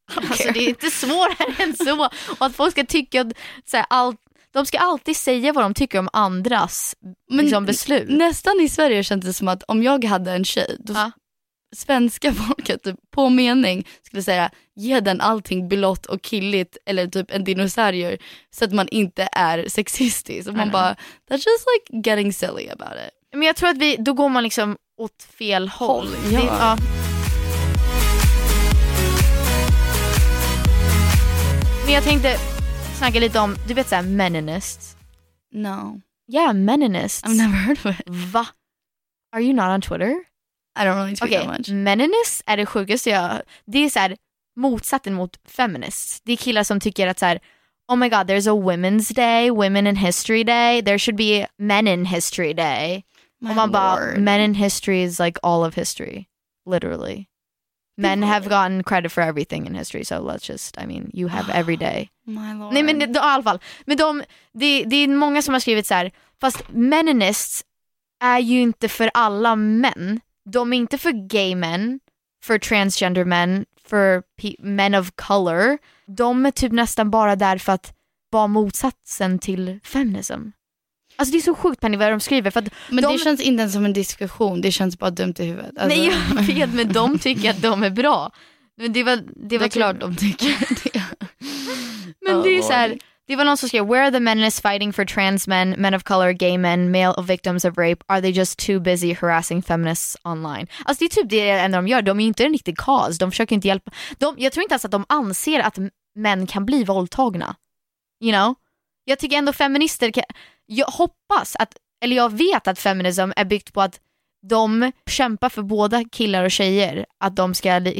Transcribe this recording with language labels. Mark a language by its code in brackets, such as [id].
[sv] Alltså det är inte svårare än så. Och att folk ska tycka att, så här, de ska alltid säga vad de tycker om andras liksom, beslut. Nästan i Sverige känns det som att om jag hade en tjej, då svenska folket typ, på mening skulle säga, ge den allting blått och killigt eller typ en dinosaurie så att man inte är sexistisk. Och man bara, [en] that's just like getting silly about it. [sv] Men jag tror att då går man liksom åt fel håll. Ja. Men jag tänkte snacka lite om, du vet såhär, meninists. [en] No. Yeah, meninists. I've never heard of it. [sv] Va? [en] Are you not on Twitter? I don't really tweet that much. [sv] Meninists är det sjukaste jag... Det är såhär motsatsen mot feminists. Det är killar som tycker att såhär, [en] oh my god, there's a women's day, women in history day. There should be men in history day. My [sv] Och man Bara, [en] men in history is like all of history. Literally. Men have gotten credit for everything in history. So let's just, I mean, you have every day. My Lord. [sv] Nej, men i alla fall. Men det är många som har skrivit så här. Fast meninists är ju inte för alla män. De är inte för [en] gay men, [sv] för [en] transgender men, [sv] för [en] men of color. [sv] De är typ nästan bara där för att vara motsatsen till feminism. Alltså det är så sjukt, Penny, vad de skriver. För att men det känns inte ens som en diskussion. Det känns bara dumt i huvudet. Alltså. Nej, jag vet, men de tycker att de är bra. Men det var klart de tycker det. Men det är så här, det var någon som skrev, [en] where are the meninists fighting for trans men, men of color, gay men, male victims of rape? Are they just too busy harassing feminists online? [sv] Alltså det är typ det enda de gör. De är inte en riktig cause. De försöker inte hjälpa. Jag tror inte ens att de anser att män kan bli våldtagna. [en] You know? [sv] Jag tycker ändå feminister kan... Jag hoppas att, eller jag vet att feminism är byggt på att de kämpar för båda killar och tjejer att de ska...